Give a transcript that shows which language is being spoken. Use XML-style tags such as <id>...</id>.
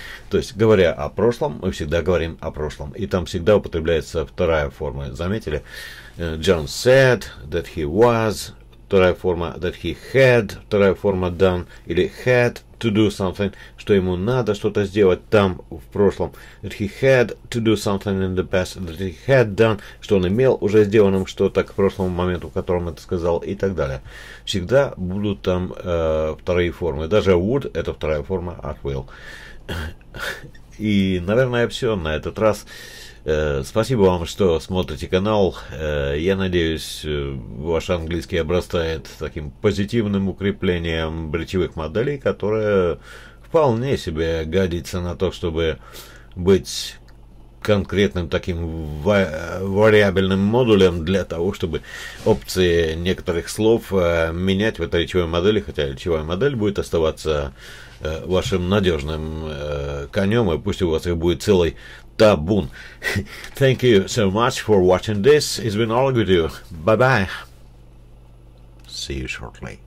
<ru>То есть, говоря о прошлом, мы всегда говорим о прошлом. И там всегда употребляется вторая форма. Заметили?</ru> <en>John said that he was.</en> <ru>Вторая форма</ru> <en>that he had.</en> <ru>Вторая форма done. Или</ru> <en>had to do something.</en> <ru>Что ему надо что-то сделать там, в прошлом.</ru> <en>That he had to do something in the past. That he had done.</en> <ru>Что он имел уже сделанным что-то к прошлому моменту, в котором это сказал. И так далее. Всегда будут там вторые формы. Даже would – это вторая форма от will. И, наверное, все на этот раз. Спасибо вам, что смотрите канал. Я надеюсь, ваш английский обрастает таким позитивным укреплением речевых моделей, которое вполне себе годится на то, чтобы быть конкретным таким вариабельным модулем для того, чтобы опции некоторых слов менять в этой речевой модели, хотя речевая модель будет оставаться вашим надежным конем, и пусть у вас их будет целый табун.</ru> <en>Thank you so much for watching this. It's been all good with you. Bye-bye. See you shortly.</en>